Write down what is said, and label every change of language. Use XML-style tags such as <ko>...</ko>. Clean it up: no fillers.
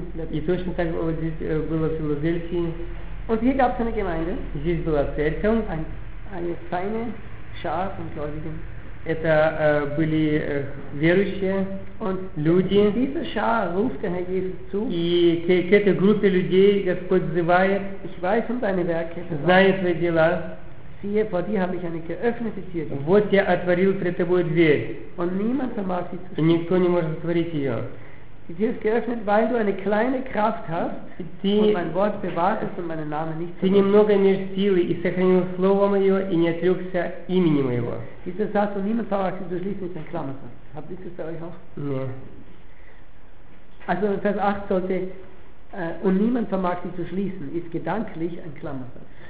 <ru>И точно так вот здесь было в Филадельфии.</ru> <de>Und hier gab es eine Gemeinde.</de> <ru>Здесь была церковь.</ru> <de>Eine feine Schar von Gläubigen.</de> <ru>Это были верующие</ru> <de>und</de> <ru>люди.</ru> <de>Diese Schar ruft der Herr Jesus zu.</de> <ru>И к этой группе людей Господь взывает.</ru> <de>Ich weiß um deine Werke.</de> <ru>Знаю твои дела.</ru> <de>Siehe, vor dir habe ich eine geöffnete Tür.</de> <ru>Вот я отворил пред тобой дверь.</ru> <de>Und niemand vermag sie zu.</de> <ru>И никто не может отворить ее.</ru> <de>Die Tür ist geöffnet, weil du eine kleine Kraft hast und mein Wort bewahrtest und meinen Namen nicht zerbrichst.</de> <ru>Ты немного имеешь силы и сохранил слово мое и не отрекся имени моего.</ru> <de>Dieser Satz, und niemand vermag sie zu schließen, ist ein Klammersatz. Habt ihr das bei euch auch? Nein. Also Vers 8 sollte und niemand vermag sie zu schließen, ist gedanklich ein Klammersatz.</de>